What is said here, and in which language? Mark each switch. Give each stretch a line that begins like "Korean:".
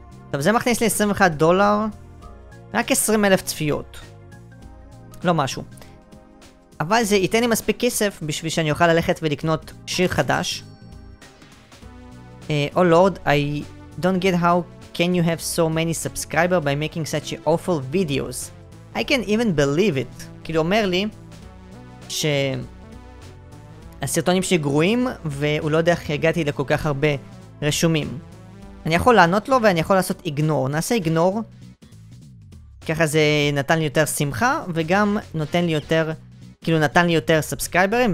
Hebrew: טוב, זה מכניס לי $21, רק 20,000 צפיות. לא משהו. אבל זה ייתן לי מספיק כסף בשביל שאני אוכל ללכת ולקנות שיר חדש.
English: Oh Lord, I don't get how can you have so many subscribers by making such awful videos. I can't even believe it.
Hebrew: כאילו אומר לי שהסרטונים שלי גרועים והוא לא יודע איך הגעתי לכל כך הרבה רשומים. אני יכול לענות לו ואני יכול לעשות איגנור. נעשה איגנור. ככה זה נתן לי יותר שמחה וגם נותן לי יותר, כאילו נתן לי יותר סאבסקרייברים.